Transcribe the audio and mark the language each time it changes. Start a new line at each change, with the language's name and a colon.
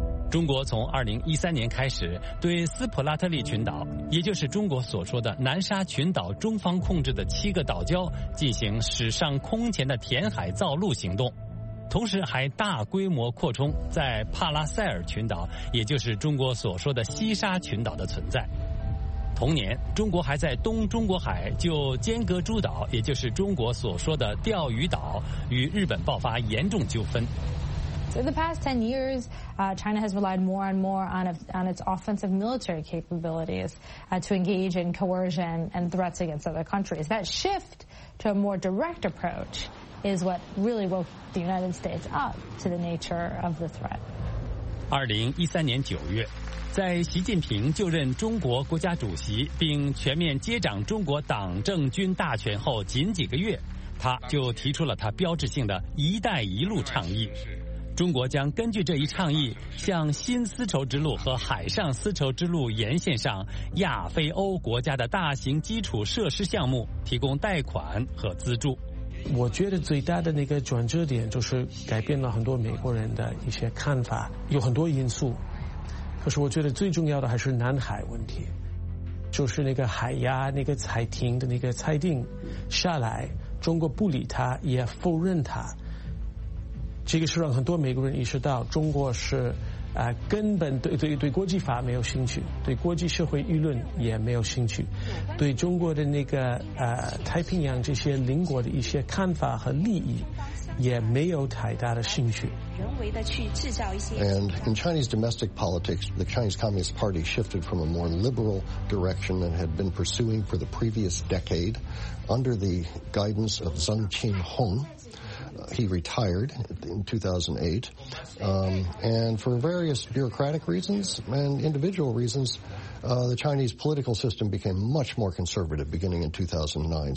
Chinese: 中国从2013年开始对斯普拉特利群岛，也就是中国所说的南沙群岛中方控制的七个岛礁进行史上空前的填海造陆行动，同时还大规模扩充在帕拉塞尔群岛，也就是中国所说的西沙群岛的存在。同年，中国还在东中国海就尖阁诸岛，也就是中国所说的钓鱼岛，与日本爆发严重纠纷。
English: In the past 10 years, China has relied more and more on its offensive military capabilities to engage in coercion and threats against other countries. That shift to a more direct approach is what really woke the United States up to the nature of the threat.
Chinese: 2013年9月，在习近平就任中国国家主席并全面接掌中国党政军大权后仅几个月，他就提出了他标志性的“一带一路”倡议。中国将根据这一倡议，向新丝绸之路和海上丝绸之路沿线上亚非欧国家的大型基础设施项目提供贷款和资助。我觉得最大的那个转折点就是改变了很多美国人的一些看法，有很多因素，可是我觉得最重要的还是南海问题，就是那个海牙那个裁定的那个裁定下来，中国不理他也否认他，这个是让很多美国人意识到中国是根本对国际法没有兴趣，对国际社会舆论也没有兴趣，对中国的那个太平洋这些邻国的一些看法和利益也没有太大的兴趣。
English: And in Chinese domestic politics, the Chinese Communist Party shifted from a more liberal direction than had been pursuing for the previous decade under the guidance of Zheng Qinhong. He retired in 2008, and for various bureaucratic reasons and individual reasons, the Chinese political system became much more conservative beginning in 2009.